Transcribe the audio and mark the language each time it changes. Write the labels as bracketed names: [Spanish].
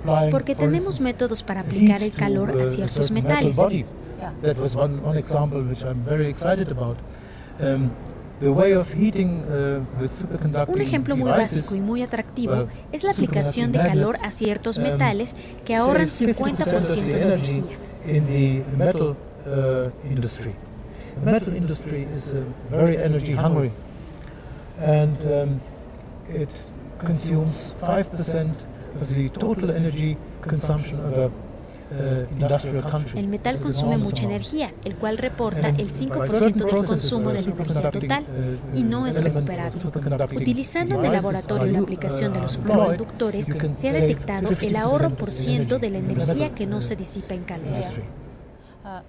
[Spanish] Porque tenemos métodos para aplicar el calor a ciertos metales. [English] That was one example which I'm very excited about. The way of heating with superconducting [Spanish] Un ejemplo muy básico y muy atractivo es la aplicación de calor a ciertos metales que ahorran 50% de energía. [English] In the metal industry. The metal industry is very energy hungry, and it consumes 5% of the total energy consumption of a industrial country. [Spanish] El metal consume mucha energía, el cual reporta el 5% del consumo de la energía total y no es recuperable. Utilizando en el laboratorio la aplicación de los superconductores, se ha detectado el ahorro por ciento de la energía que no se disipa en calor.